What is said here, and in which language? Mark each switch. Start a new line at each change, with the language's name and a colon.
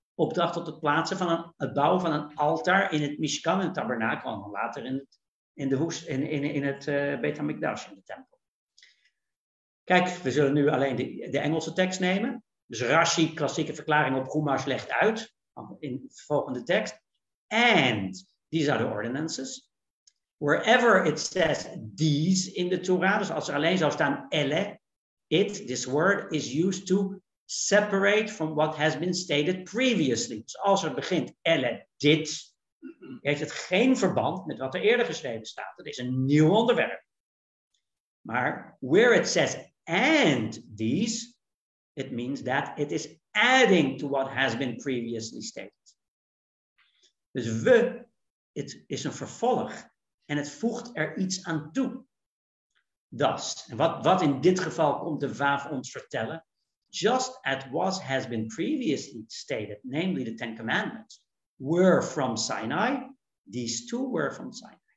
Dutch: Opdracht tot het plaatsen van het bouwen van een altaar in het Mishkan, een tabernakel, en later in het Beit HaMikdash, in de tempel. Kijk, we zullen nu alleen de Engelse tekst nemen. Dus Rashi, klassieke verklaring op Chumash, legt uit in de volgende tekst.
English: And these are the ordinances. Wherever it says these in the Torah,
Dutch: dus als er alleen zou staan ele,
English: it, this word, is used to separate from what has been stated previously.
Dutch: Dus als er begint ele, dit, heeft het geen verband met wat er eerder geschreven staat. Dat is een nieuw onderwerp.
English: Maar where it says and these, it means that it is adding to what has been previously stated.
Dutch: Dus we,
English: it is
Dutch: een vervolg. En het voegt er iets aan toe. Thus, wat in dit geval komt de waaf ons vertellen?
English: Just as what has been previously stated, namely the Ten Commandments, were from Sinai, these two were from Sinai.